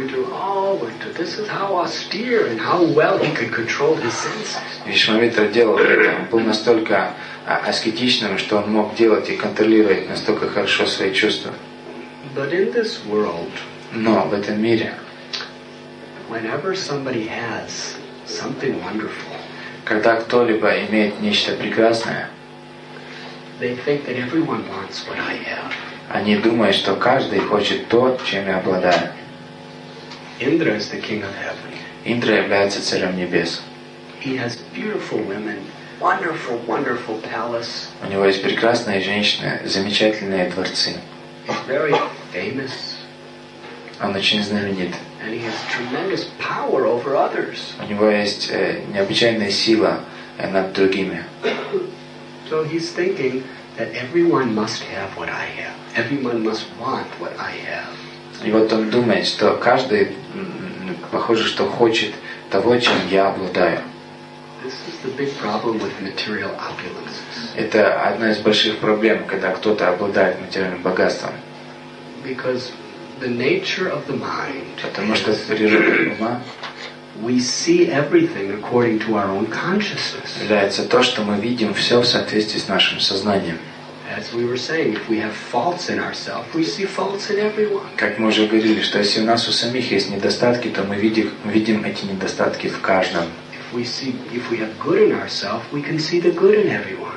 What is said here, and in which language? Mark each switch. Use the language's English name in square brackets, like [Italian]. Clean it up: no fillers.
[English] This is how austere and how well he could control his senses. [Russian] Вишвамитра делал это. Он был настолько аскетичным, что он мог делать и контролировать настолько хорошо свои чувства. [English] But in this world, [Russian] но в этом мире, [English] whenever somebody has something wonderful, [Russian] когда кто-либо имеет нечто прекрасное, [English] they think that everyone wants what I have. [Russian] Они думают, что каждый хочет то, чем я обладаю. [English] Indra is the king of heaven. [Russian] Indra является царем небес. [English] He has beautiful women, wonderful, wonderful palace. [Russian] У него есть прекрасные женщины, замечательные дворцы. [English] He's very famous. [Russian] Он очень знаменит. [English] And he has tremendous power over others. [Russian] У него есть необычайная сила над другими. [English] So he's thinking that everyone must have what I have. Everyone must want what I have. [Russian] И вот он думает, что каждый, похоже, что хочет того, чем я обладаю. [English] This is the big problem with material opulences. [Russian] Это одна из больших проблем, когда кто-то обладает материальным богатством. [English] Because the nature of the mind. [Russian] Потому что природа ума. [English] We see everything according to our own consciousness. [Russian] Является то, что мы видим все в соответствии с нашим сознанием. [English] As we were saying, if we have faults in ourselves, we see faults in everyone. [Russian] Как мы уже говорили, что если у нас у самих есть недостатки, то мы видим эти недостатки в каждом. [English] If we have good in ourselves, we can see the good in everyone.